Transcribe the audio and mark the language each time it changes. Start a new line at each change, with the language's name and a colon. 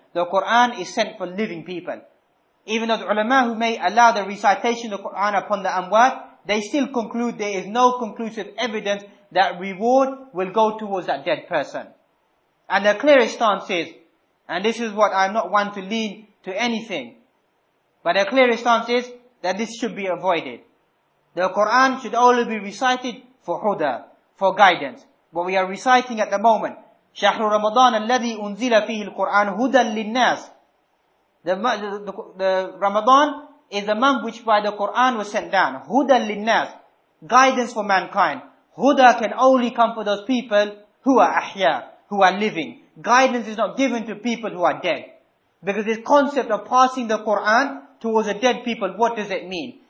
English: The Quran is sent for living people. Even though the ulama who may allow the recitation of the Quran upon the amwat, they still conclude there is no conclusive evidence that reward will go towards that dead person. And the clearest stance is, and this is what I'm not one to lean to anything, but the clearest stance is that this should be avoided. The Quran should only be recited for huda, for guidance. What we are reciting at the moment,
Arabic: شَهْرُ رَمَضَانَ الَّذِي أُنزِلَ فِيهِ الْقُرْآنُ هُدًى لِلنَّاسِ.
English: The Ramadan is the month which by the Quran was sent down.
Arabic: هُدًى لِلنَّاسِ,
English: guidance for mankind. Huda can only come for those people who are ahya, who are living. Guidance is not given to people who are dead. Because this concept of passing the Quran towards a dead people, what does it mean?